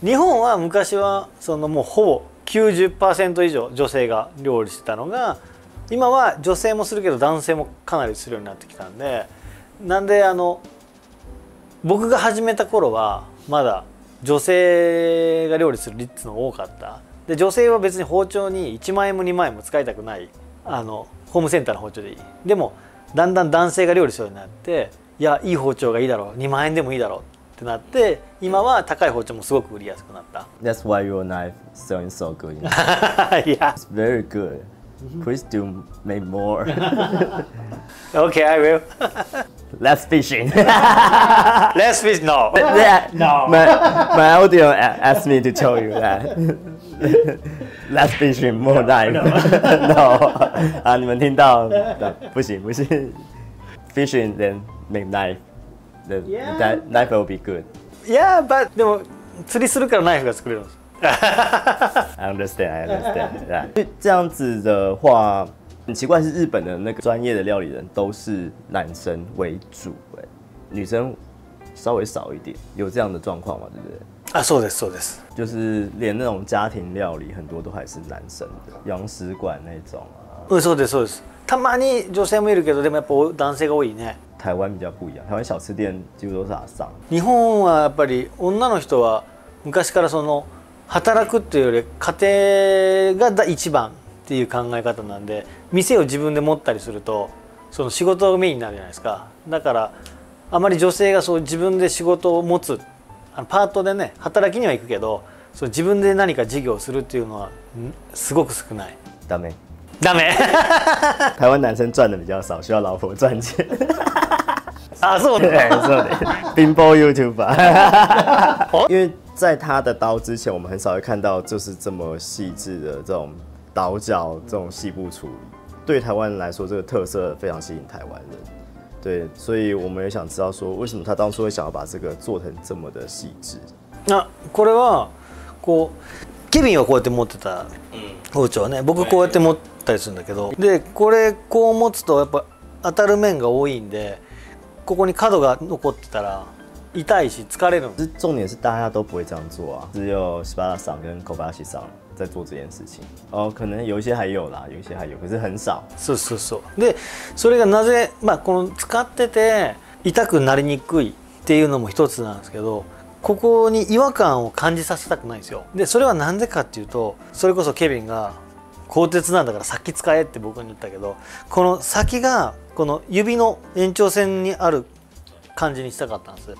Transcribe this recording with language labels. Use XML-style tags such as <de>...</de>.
<ja>日本は昔はそのもうほぼ 90% 以上女性が料理してたのが、今は女性もするけど男性もかなりするようになってきたんで、なんで僕が始めた頃はまだ女性が料理する率の多かった。で女性は別に包丁に1万円も2万円も使いたくない、ホームセンターの包丁でいい。でもだんだん男性が料理するようになって、いやいい包丁がいいだろう、2万円でもいいだろうってなって、今は高い包丁もすごく売りやすくなった。</ja> <en>That's why your knife is selling so good. Yeah, it's very good. Please do make more. Okay, I will. Less fishing. Less fish, no. No. My audio asked me to tell you that. Less fishing, more dive. No,</en> <zh>啊，你们听到？不行不行。</zh> <en>Fishing then make knife. Then that knife will be good. Yeah, but</en> <ja>釣りするからナイフが作れるんです。 I understand, I understand.</ja> <zh>对，这样子的话，很奇怪，是日本的那个专业的料理人都是男生为主，女生稍微少一点，有这样的状况吗？对不对？</zh> <ja>啊，そうですそうです。</ja> <zh>就是连那种家庭料理，很多都还是男生的，洋食馆那种</zh> <ja>啊。そうですそうです。たまに女性もいるけど、でもやっぱ男性が多いね。</ja> <zh>台湾比较不一样，台湾小吃店几乎都是阿桑。</zh> <ja>日本はやっぱり女の人は昔からその働くっていうより家庭が第一番っていう考え方なんで、店を自分で持ったりするとその仕事がメインになるじゃないですか。だからあまり女性がそう自分で仕事を持つ。パートでね働きには行くけど、そう自分で何か事業をするっていうのはすごく少ない。ダメ。ダメ。</ja> <zh>台湾男生赚的比较少，需要老婆赚钱。</zh> <ja>啊，そうね。そうね。冰波 YouTuber。</ja> <zh>因为在他的刀之前，我们很少会看到就是这么细致的这种刀脚这种细部处理。对台湾人来说，这个特色非常吸引台湾人。对，所以我们也想知道说，为什么他当初会想要把这个做成这么的细致？</zh> <ja>那これはこうケビンはこうやって持ってた包丁ね。僕こうやって持ったりするんだけど、でこれこう持つとやっぱ当たる面が多いんで、ここに角が残ってたら痛いし疲れる。</ja> <zh>重点是大家都不会这样做啊，只有シバラさん跟コバシさん在做这件事情。哦，可能有一些还有啦，有一些还有，可是很少。</zh> <ja>そうそうそう。で、それがなぜ、まあこの使ってて痛くなりにくいっていうのも一つなんですけど、ここに違和感を感じさせたくないんですよ。でそれはなんでかっていうと、それこそケビンが鋼鉄なんだから先使えって僕に言ったけど、この先がこの指の延長線にある感じにしたかったんです。</ja>